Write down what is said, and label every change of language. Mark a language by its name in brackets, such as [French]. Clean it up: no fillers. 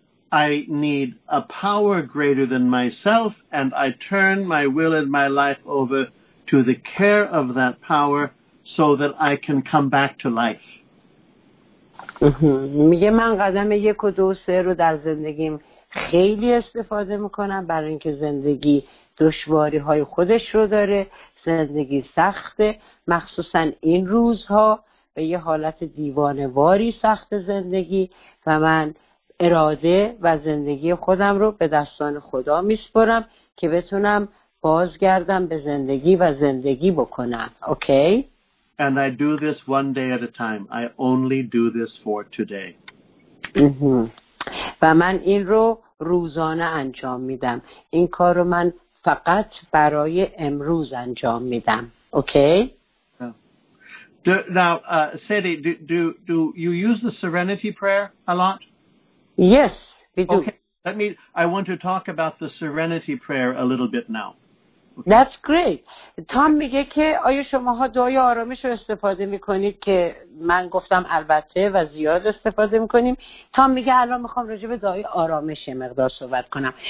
[English] I need a power greater than myself, and I turn my will and my life over to the care of that power so that I can come back to life. [Persian] میگه من قدم یک و دو سه رو در زندگیم خیلی استفاده میکنم، برای اینکه زندگی دشواری های خودش رو داره. زندگی سخته، مخصوصا این روزها. به یه حالت دیوانواری سخت زندگی، و من اراده و زندگی خودم رو به دستان خدا میسپرم که بتونم بازگردم به زندگی و زندگی بکنم. [English] Okay? And I do this one day at a time. I only do this for today. [Persian] و من این رو روزانه انجام میدم. این کار رو من فقط برای امروز انجام میدم. [English] Okay? Now, Sadie, do you use the Serenity Prayer a lot? Yes, we do. Okay, I want to talk about the Serenity Prayer a little bit now. That's great. [Persian] تام میگه که آیا شماها دعای آرامش رو استفاده میکنید که من گفتم البته و زیاد استفاده میکنیم. تام میگه الان میخوام راجع به دعای آرامش مقدار صحبت کنم.